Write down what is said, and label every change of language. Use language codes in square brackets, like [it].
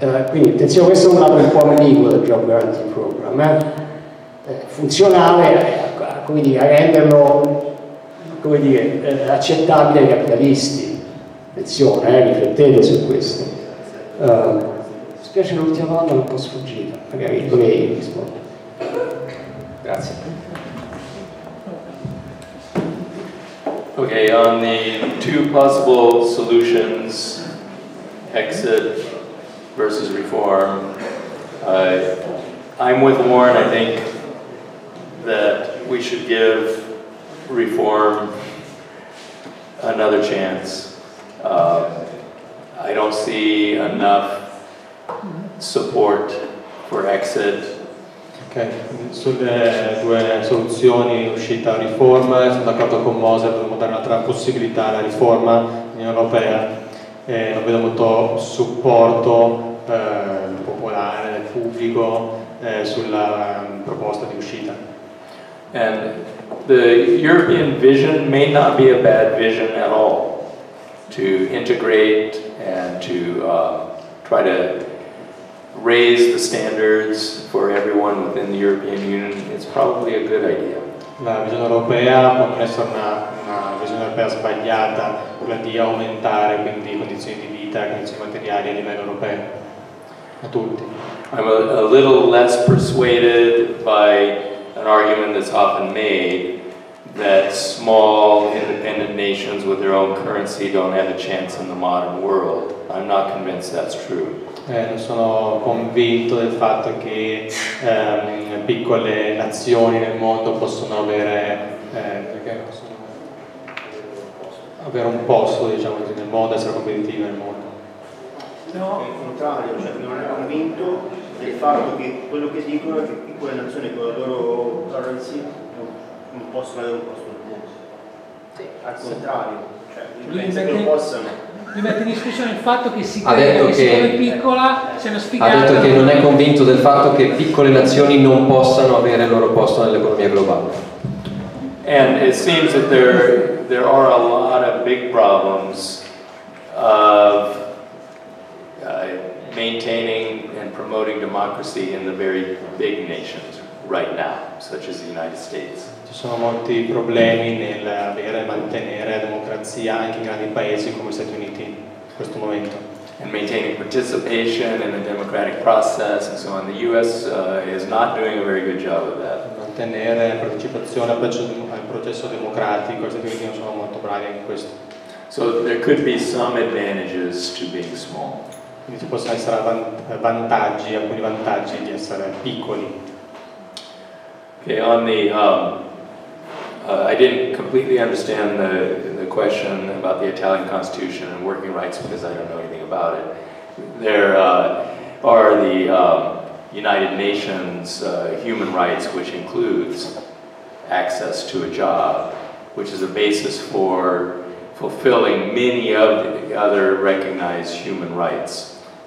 [it] Quindi attenzione, questo è un lato un po' ambiguo del job guarantee program, funzionale a renderlo, come dire, accettabile ai capitalisti. Attenzione, riflettete su questo. Mi spiace, l'ultima domanda è un po' sfuggita, magari dovrei rispondere. Grazie. [en] Ok, on the two possible solutions, exit versus reform, I'm with Warren, I think that we should give reform another chance. I don't see enough support for exit [it] Ok, sulle due soluzioni, uscita riforma, sono d'accordo con Moser, dobbiamo dare un'altra possibilità alla riforma dell'Unione Europea, non vedo molto supporto popolare, pubblico, sulla proposta di uscita. [en] And the European vision may not be a bad vision at all, to integrate and to try to raise the standards for everyone within the European Union, it's probably a good idea. [it] La visione europea può non essere una visione europea sbagliata, quella di aumentare quindi condizioni di vita, condizioni materiali a livello europeo, a tutti. [en] I'm a little less persuaded by an argument that's often made that small independent nations with their own currency don't have a chance in the modern world. I'm not convinced that's true. [it] Non sono convinto del fatto che piccole nazioni nel mondo possono avere, avere un posto, diciamo così, nel mondo, essere competitive nel mondo. No, il contrario, cioè non è convinto del fatto che quello che dicono è che piccole nazioni con la loro currency non possono avere un posto nel mondo. Sì. Al contrario, sì. Cioè, penso che non possano. Mi mette in discussione il fatto che si crede che sia piccola, se non spiegato. Ha detto che non è convinto del fatto che piccole nazioni non possano avere il loro posto nell'economia globale. [en] And it seems that there are a lot of big problems of maintaining and promoting democracy in the very big nations right now, such as the United States. [it] Ci sono molti problemi nel avere e mantenere la democrazia anche in grandi paesi come gli Stati Uniti in questo momento. [en] And maintaining participation in the democratic process and so on. The US is not doing a very good job of that. [it] Mantenere la partecipazione al processo democratico, gli Stati Uniti non sono molto bravi in questo. [en] So there could be some advantages to being small. [it] Quindi ci possono essere vantaggi, alcuni vantaggi di essere piccoli. [en] Okay, on the I didn't completely understand the question about the Italian Constitution and working rights because I don't know anything about it. There are the United Nations human rights, which includes access to a job, which is a basis for fulfilling many of the other recognized human rights.